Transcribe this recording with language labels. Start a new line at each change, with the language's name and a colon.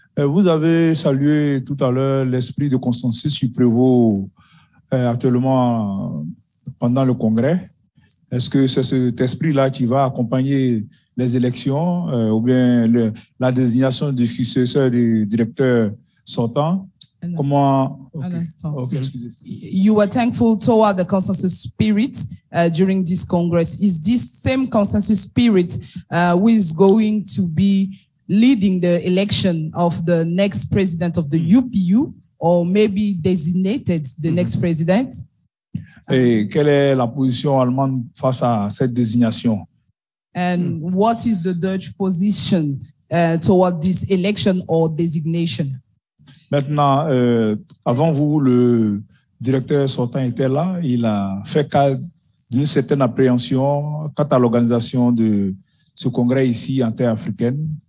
French: Vous avez salué tout à l'heure l'esprit de consensus qui prévaut actuellement pendant le Congrès. Est-ce que c'est cet esprit-là qui va accompagner les élections ou bien la désignation du successeur du directeur sortant?
English: You were thankful toward the consensus spirit during this Congress. Is this same consensus spirit who is going to be leading the election of the next president of the UPU, or maybe designated the next president?
French: Et quelle est la position allemande face à cette désignation?
English: And what is the Dutch position toward this election or designation?
French: Maintenant, avant vous, le directeur sortant était là. Il a fait cas d'une certaine appréhension quant à l'organisation de ce congrès ici en terre africaine.